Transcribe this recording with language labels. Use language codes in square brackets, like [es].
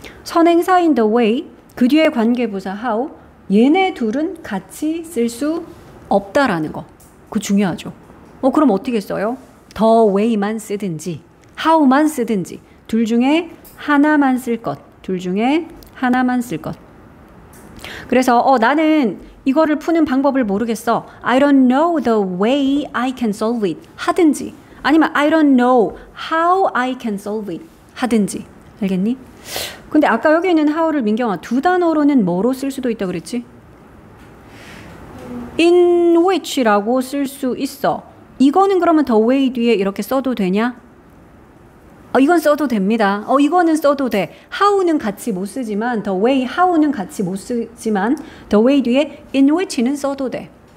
[ko] 선행사인 the way 그 뒤에 관계 부사 how 얘네 둘은 같이 쓸 수 없다라는 거. 그거 중요하죠. 그럼 어떻게 써요? The way만 쓰든지 how만 쓰든지 둘 중에 하나만 쓸 것. 둘 중에 하나만 쓸 것. 그래서 나는 이거를 푸는 방법을 모르겠어. [en] I don't know the way I can solve it [ko] 하든지 아니면 [en] I don't know how I can solve it [ko] 하든지 알겠니? 근데 아까 여기 있는 how를 민경아 두 단어로는 뭐로 쓸 수도 있다 그랬지? in which라고 쓸 수 있어. 이거는 그러면 the way 뒤에 이렇게 써도 되냐? 이건 써도 됩니다. 이거는 써도 돼. how는 같이 못 쓰지만 the way how는 같이 못 쓰지만 the way 뒤에 in which는 써도 돼.